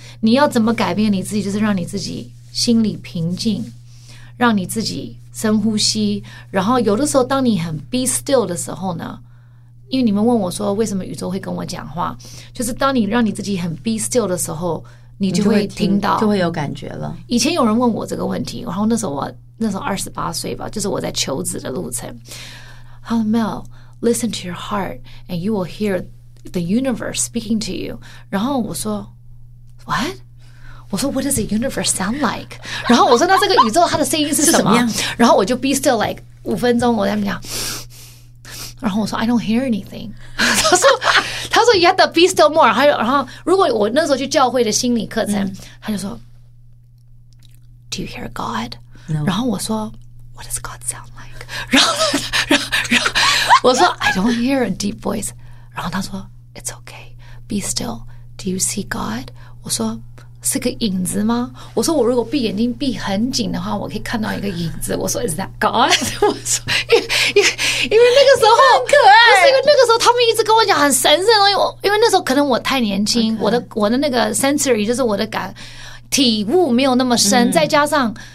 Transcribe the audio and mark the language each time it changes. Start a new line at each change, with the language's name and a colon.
Chinese: 你要怎么改变你自己，就是让你自己心里平静，让你自己深呼吸，然后有的时候当你很 be still 的时候呢，因为你们问我说为什么宇宙会跟我讲话，就是当你让你自己很 be still 的时候。你就会听到就会有感觉了以前有人问我这个问题然后那时候28岁吧就是我在求职的路程
English: How Mel listen to your heart and you will hear the universe speaking to you
Chinese: 然后我说 What? 我说
English: What does the universe sound like?
Chinese: 然后我说那这个宇宙它的声音是什么, 是什么然后我就 be still like 5分钟我在那边讲然后我说
English: I don't hear anything
Chinese: 他说
English: You have to be still more
Chinese: 然后如果我那时候去教会的心理课程、他就说
English: Do you hear God?、 No.
Chinese: 然后我说
English: What does God sound like?
Chinese: 然后我说
English: I don't hear a deep voice
Chinese: 然后他说
English: It's okay Be still Do you see God?
Chinese: 我说是个影子吗我说我如果闭眼睛闭很紧的话我可以看到一个影子我说
English: Is that God?
Chinese: 我说因为那个时候很可爱不是因为那个时候他们一直跟我讲很神圣的东西因为那时候可能我太年轻、okay. 我的那个 sensory 就是我的感体悟没有那么深、再加上